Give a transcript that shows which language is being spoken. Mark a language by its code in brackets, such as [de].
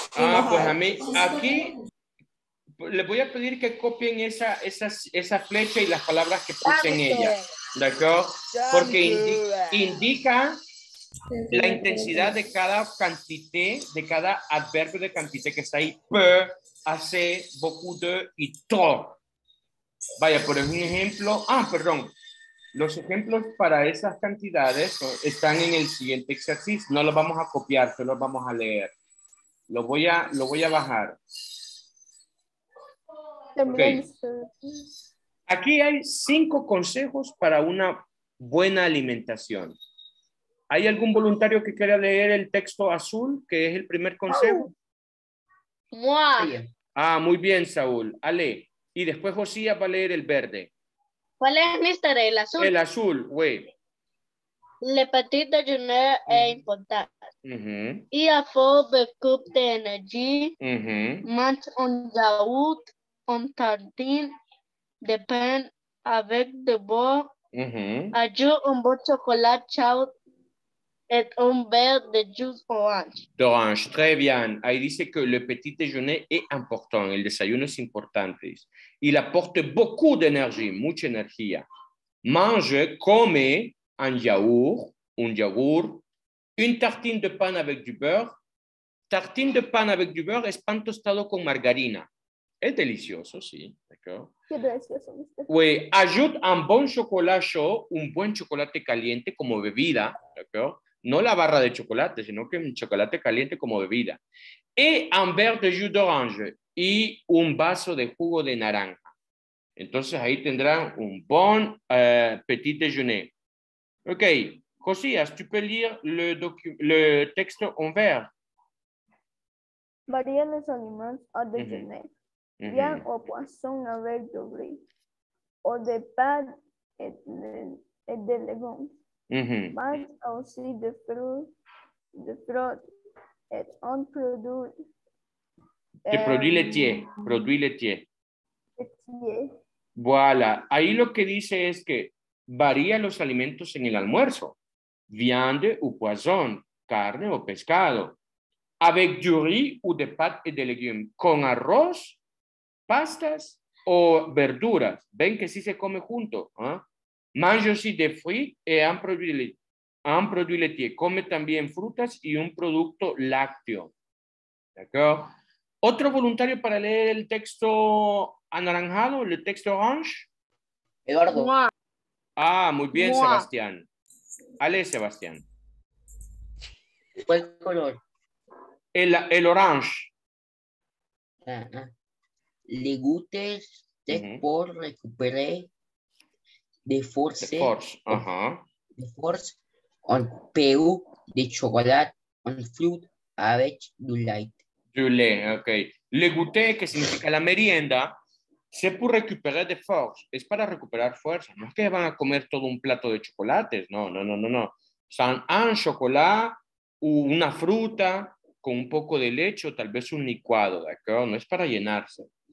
[es] Ah, pues a mí, aquí, les voy a pedir que copien esa flecha y las palabras que puse en ella, ¿de acuerdo? Porque indica la intensidad de cada cantité, de cada adverbio de cantité que está ahí. [fr] Peu, assez, beaucoup de y trop. [es] Vaya, por ejemplo, perdón. Los ejemplos para esas cantidades están en el siguiente exercicio. No los vamos a copiar, solo los vamos a leer. Lo voy a bajar. Okay. Aquí hay 5 consejos para una buena alimentación. ¿Hay algún voluntario que quiera leer el texto azul, que es el primer consejo? Muy bien, Saúl. Ale. Y después Josías va a leer el verde. ¿Cuál es, mister? ¿El azul? El azul, güey. [fr] Le petit déjeuner [es] es importante. [fr] Uh-huh. Y a faut beaucoup d'énergie. Mange un yaourt, un tartine, de pain avec de beurre. Ajoute un bon chocolat chaud et un verre de jus orange. D'orange, très bien. [es] Ahí dice que [fr] le petit déjeuner [es] es importante. El desayuno es importante. [fr] Il apporte beaucoup d'énergie, [es] mucha energía. [fr] Mange, [es] come [fr] un yaourt, une tartine de pain avec du beurre. Tartine de pain avec du beurre [es] es pan tostado con margarina. Es delicioso, sí. [fr] D'accord. [es] Qué delicioso. [fr] Oui, ajoute un bon chocolat chaud, [es] un buen chocolate caliente como bebida. [fr] D'accord. [es] No la barra de chocolate, sino que un chocolate caliente como bebida. [fr] Et un verre de jus d'orange. [es] Y un vaso de jugo de naranja. Entonces ahí tendrán [fr] un bon petit déjeuner. [es] Ok, Josías, ¿tú puedes leer le texto [fr] en vert? [es] Varían los [fr] aliments au déjeuner. Bien o poisson avec du riz. O de pan et de legumes. Más aussi de fruit et un produit. De produit laitier. Laitier. Voilà. [es] Ahí lo que dice es que varía los alimentos en el almuerzo. [fr] Viande ou poisson, [es] carne o pescado. [fr] Avec du riz ou de pâtes et de légumes. [es] Con arroz, pastas o verduras. Ven que sí se come junto. [fr] ¿Eh? Mange aussi des fruits et un produit laitier. [es] Come también frutas y un producto lácteo. ¿De acuerdo? ¿Otro voluntario para leer el texto anaranjado, el texto orange? Eduardo. Muy bien, Mua. Sebastián. Ale, Sebastián. ¿Cuál color? El orange. [fr] Le goûte, [es] después recuperé [fr] de force. De force, ajá. De force, un peu de chocolate, un fruit avec du lait. [es] Okay. Le goûté, que significa la merienda, se puede recuperar [fr] de force, [es] es para recuperar fuerza, no es que van a comer todo un plato de chocolates, no. Son un chocolate, una fruta, con un poco de leche, o tal vez un licuado, ¿de acuerdo? No es para llenarse.